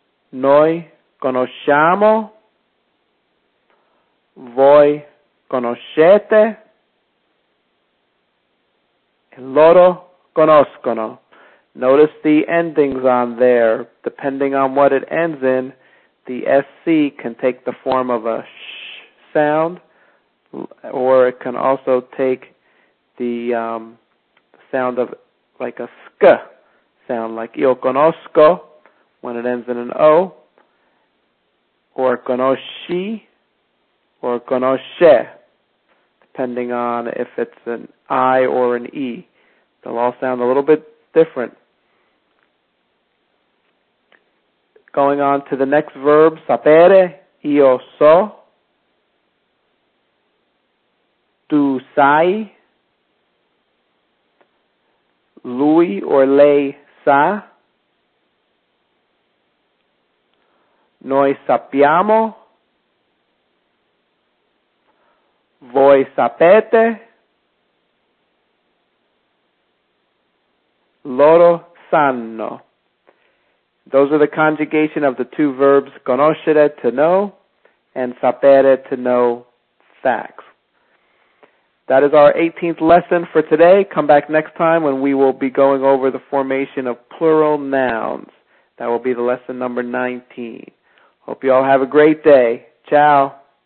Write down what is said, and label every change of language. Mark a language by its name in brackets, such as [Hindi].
[Italian] noi conosciamo, voi conoscete, e loro conoscono. [English] Notice the endings on there. Depending on what it ends in, the SC can take the form of a sh sound, or it can also take the sound of like a sk sound, like io conosco, when it ends in an O, or conosci, or conosce, depending on if it's an I or an E. They'll all sound a little bit different. Going on to the next verb, sapere, [Italian] io so, tu sai, lui or lei sa, noi sappiamo, voi sapete, loro sanno. [English] Those are the conjugation of the two verbs conoscere, to know, and sapere, to know facts. That is our 18th lesson for today. Come back next time when we will be going over the formation of plural nouns. That will be the lesson number 19. Hope you all have a great day. Ciao.